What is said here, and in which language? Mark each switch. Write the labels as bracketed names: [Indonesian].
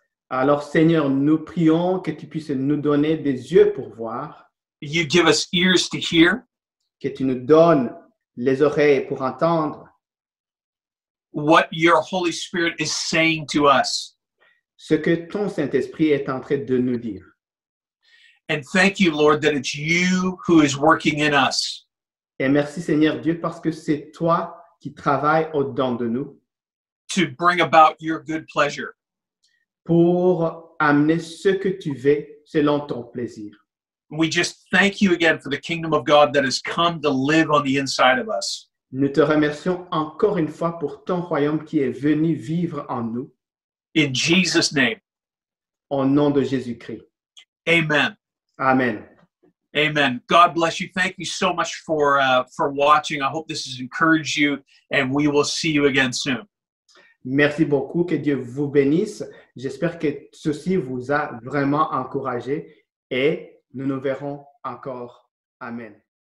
[French] Alors Seigneur, nous prions que tu puisses nous donner des yeux pour voir. [English] You give us ears to hear. [French] Que tu nous donnes les oreilles pour entendre. [English] What your Holy Spirit is saying to us. [French] Ce que ton Saint-Esprit est en train de nous dire. [English] And thank you, Lord, that it's you who is working in us. [French] Et merci, Seigneur Dieu, parce que c'est toi qui travaille au-dedans de nous. [English] To bring about your good pleasure. [French] Pour amener ce que tu veux selon ton plaisir. [English] We just thank you again for the kingdom of God that has come to live on the inside of us. [French] Nous te remercions encore une fois pour ton royaume qui est venu vivre en nous. [English] In Jesus' name. [French] Au nom de Jésus-Christ. Amen. Amen. [English] Amen. God bless you. Thank you so much for watching. I hope this has encouraged you and we will see you again soon. [French] Merci beaucoup. Que Dieu vous bénisse. J'espère que ceci vous a vraiment encouragé et nous nous verrons encore. Amen.